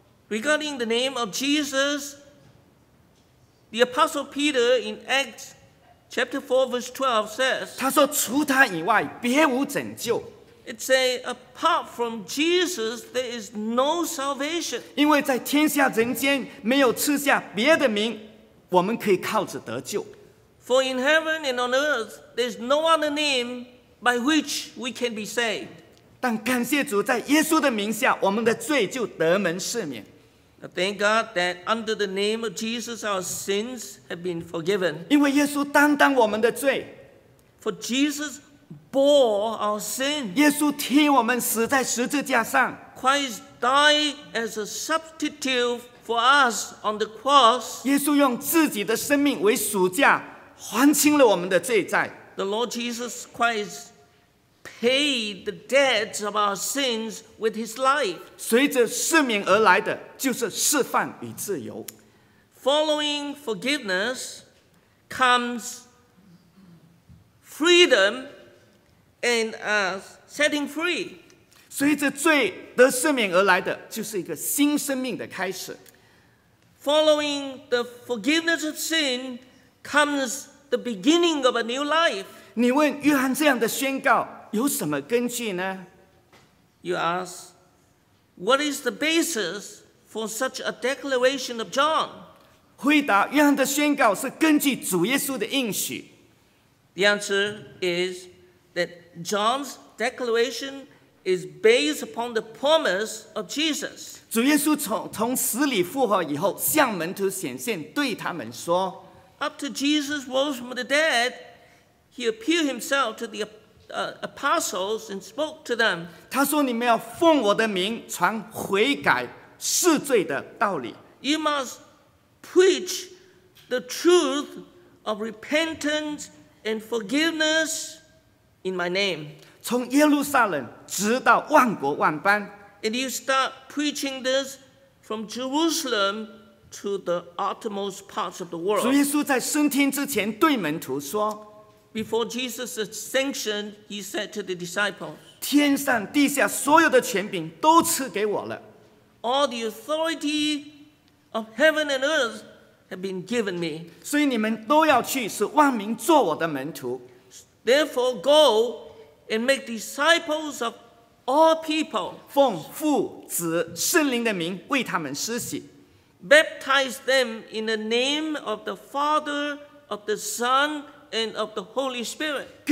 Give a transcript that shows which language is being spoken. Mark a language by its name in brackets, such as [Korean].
[English] Regarding the name of Jesus, the Apostle Peter in Acts chapter 4 verse 12 says, [Chinese] 他说除他以外别无拯救。 [English] It says, apart from Jesus, there is no salvation. [Chinese] 因为在天下人间没有赐下别的名， 我们可以靠着得救。 [English] For in heaven and on earth, there is no other name by which we can be saved. [Chinese] 但感谢主，在耶稣的名下， 我们的罪就得蒙赦免。 [English] Thank God that under the name of Jesus, our sins have been forgiven. [Chinese] 因为耶稣担当我们的罪。 [English] For Jesus bore our sin. [Chinese] 耶稣替我们死在十字架上。 [English] Christ died as a substitute for us on the cross. [Chinese] 耶稣用自己的生命为赎价， 还清了我们的罪债。 [English] The Lord Jesus Christ paid the debts of our sins with his life. [Chinese] 随着赦免而来的就是释放与自由。 [English] Following forgiveness comes freedom and setting free. [Chinese] 随着罪得赦免而来的就是一个新生命的开始。 [English] Following the forgiveness of sin comes the beginning of a new life. [Chinese] 你问约翰这样的宣告有什么根据呢？ [English] You ask, what is the basis for such a declaration of John? [Chinese] 回答约翰的宣告是根据主耶稣的应许。 [English] The answer is that John's declaration is based upon the promise of Jesus. [Chinese] 主耶稣从死里复活以后向门徒显现对他们说， [English] After Jesus rose from the dead, he appeared himself to the apostles and spoke to them. [Chinese] 他说你们要奉我的名传悔改赦罪的道理。 [English] You must preach the truth of repentance and forgiveness in my name. [Chinese] 从耶路撒冷直到万国万邦。 [English] And you start preaching this from Jerusalem to the uttermost parts of the world. [Chinese] 主耶稣在升天之前对门徒说， [English] Before Jesus ascended, he said to the disciples, [Chinese] 天上地下所有的权柄都赐给我了。 [English] All the authority of heaven and earth have been given me. [Chinese] 所以你们都要去，使万民做我的门徒。 [English] Therefore, go and make disciples of all people. [Chinese] 奉父、子、圣灵的名为他们施洗。 [English] Baptize them in the name of the Father, of the Son, and of the Holy Spirit.